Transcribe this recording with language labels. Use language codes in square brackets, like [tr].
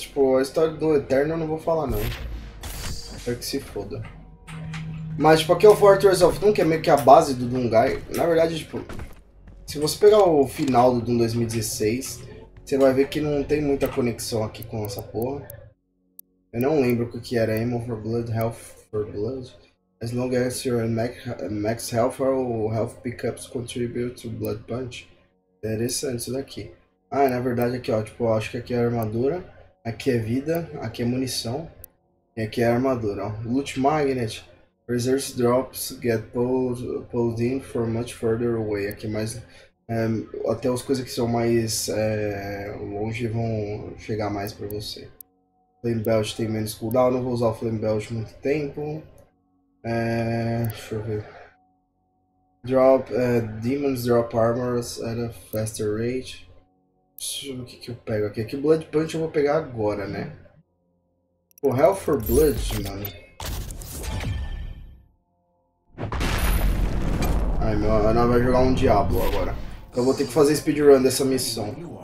[pt] Tipo, a história do Eterno eu não vou falar, não. Espero que se foda. Mas, tipo, aqui é o Fortress of Doom, que é meio que a base do Doomguy. Na verdade, tipo, se você pegar o final do Doom 2016, você vai ver que não tem muita conexão aqui com essa porra. Eu não lembro o que era. [en] Ammo for blood, health for blood. As long as you're in max health, or health pickups contribute to blood punch. [pt] Interessante isso daqui. Ah, na verdade aqui ó, tipo, eu acho que aqui é armadura, aqui é vida, aqui é munição, e aqui é armadura, ó. [en] Loot magnet, reserves drops get pulled in for much further away, [pt] aqui mais, até as coisas que são mais longe vão chegar mais pra você. Flame belt tem menos cooldown, não vou usar o flame belt muito tempo, deixa eu ver. [en] Drop, demons drop armors at a faster rate. [pt] Deixa eu ver o que eu pego aqui. Aqui Blood Punch eu vou pegar agora, né? O Hell for Blood, mano. Ai, meu, a Ana vai jogar um Diablo agora. Então eu vou ter que fazer speedrun dessa missão.